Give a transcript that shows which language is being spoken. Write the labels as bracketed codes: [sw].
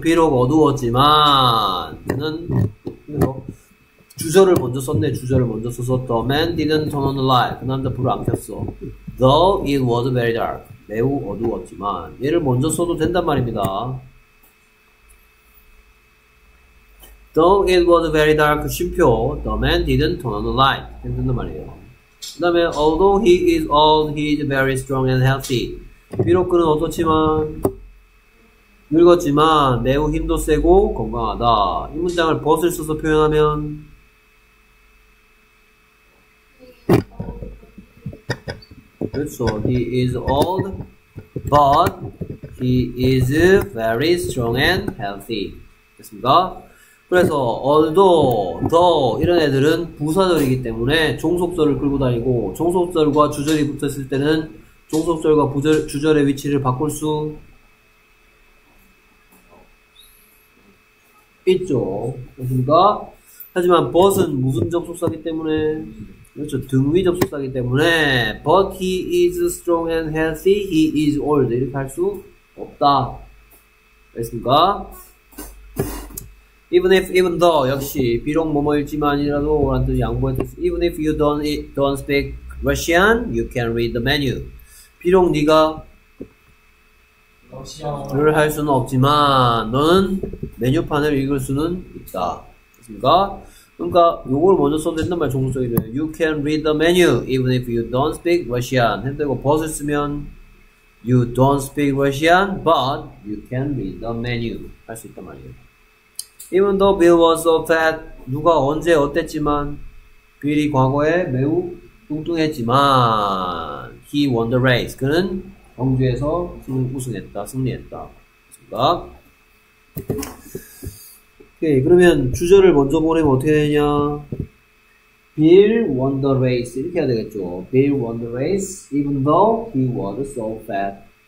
[ko] 비록 어두웠지만은 주절을 먼저 썼네. 주절을 먼저 써서 [en] The man didn't turn on the light. [ko] 그 남자 불을 안 켰어. [en] Though it was very dark. [ko] 매우 어두웠지만 얘를 먼저 써도 된단 말입니다. [en] Though it was very dark, 쉼표, the man didn't turn on the light. [ko] 괜찮단 말이에요. 그 다음에, [en] although he is old, he is very strong and healthy. [ko] 비록 그는 어떻지만, 늙었지만, 매우 힘도 세고 건강하다. 이 문장을 but을 써서 표현하면, 그렇죠. [en] He is old, but he is very strong and healthy. [ko] 됐습니까? 그래서 although, though 이런 애들은 부사절이기 때문에 종속절을 끌고 다니고 종속절과 주절이 붙었을 때는 종속절과 부절, 주절의 위치를 바꿀 수 있죠. 그렇습니까? 하지만 but은 무슨 접속사이기 때문에 그렇죠. 등 위 접속사이기 때문에 [en] But he is strong and healthy. He is old. [ko] 이렇게 할 수 없다. 알겠습니까? [en] Even if, even though [ko] 역시 비록 뭐뭐일지만이라도 라는 뜻이 양보했듯 [en] Even if you don't speak Russian, you can read the menu. [ko] 비록 네가 러시아어를 할 수는 없지만 너는 메뉴판을 읽을 수는 있다. 알겠습니까? 그러니까 요걸 먼저 써도 된단 말이야. 종속적이네. [en] You can read the menu even if you don't speak Russian. [ko] 근데 이거 [en] but을 쓰면 You don't speak Russian but you can read the menu [ko] 할 수 있단 말이야. [en] Even though Bill was so fat [ko] 누가 언제 어땠지만 Bill이 과거에 매우 뚱뚱했지만 [en] He won the race. [ko] 그는 경주에서 우승했다. 승리했다. 그렇습니까? 오케이, 그러면 주절을 먼저 보내면 어떻게 되냐? [en] Bill won the race [ko] 이렇게 해야 되겠죠. [en] Bill won the race even though he was so fat.